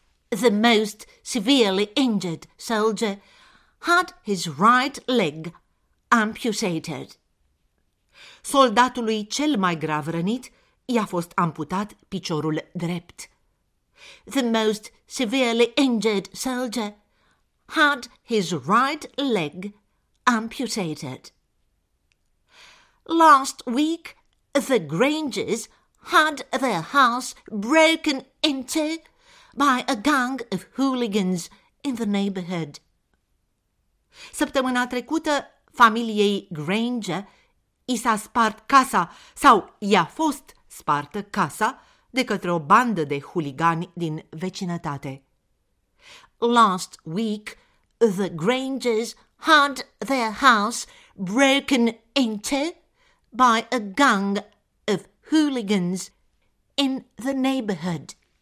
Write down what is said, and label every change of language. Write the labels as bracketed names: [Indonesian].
[English] The most severely injured soldier had his right leg amputated. [Romanian] Soldatului cel mai grav rănit i-a fost amputat piciorul drept. [English] The most severely injured soldier had his right leg amputated. Last week, the Grangers had their house broken into by a gang of hooligans in the neighborhood. [Romanian] Săptămâna trecută, familiei Granger i s-a spart casa sau i-a fost spartă casa de către o bandă de huligani din vecinătate. [English] Last week, the Grangers had their house broken into by a gang of hooligans in the neighborhood.